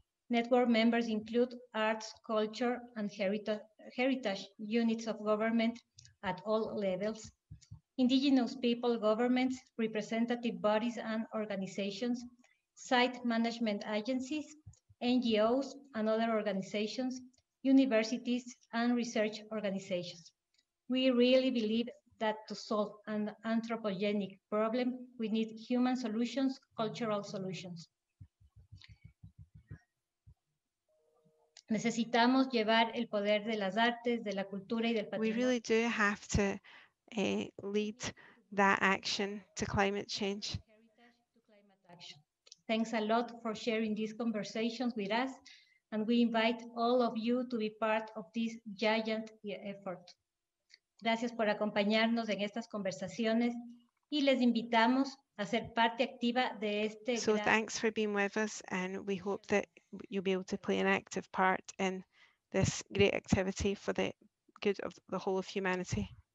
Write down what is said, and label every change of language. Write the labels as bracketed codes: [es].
[en] Network members include arts, culture, and heritage units of government at all levels, indigenous people governments, representative bodies and organizations, site management agencies, NGOs and other organizations, universities and research organizations. We really believe that to solve an anthropogenic problem, we need human solutions, cultural solutions. [es] Necesitamos llevar el poder de las artes, de la cultura y del patrimonio. [en] We really do have to lead that action to climate change. Thanks a lot for sharing these conversations with us. and we invite all of you to be part of this giant effort. [es] Gracias por acompañarnos en estas conversaciones y les invitamos a ser parte activa de este. [en] So thanks for being with us, and we hope that you'll be able to play an active part in this great activity for the good of the whole of humanity.